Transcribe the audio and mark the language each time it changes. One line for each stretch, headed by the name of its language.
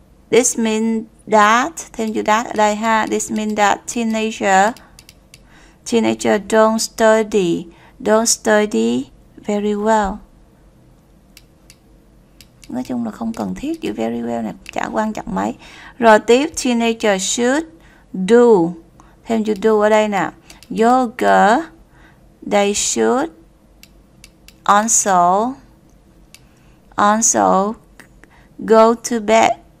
English: This means that,
Vietnamese: thêm chữ that ở đây ha.
English: This means that teenager don't study very well.
Vietnamese: Nói chung là không cần thiết chữ very well này, chả quan trọng mấy. Rồi tiếp,
English: teenager should do,
Vietnamese: thêm chữ do ở đây nè.
English: Yoga, they should also go to bed.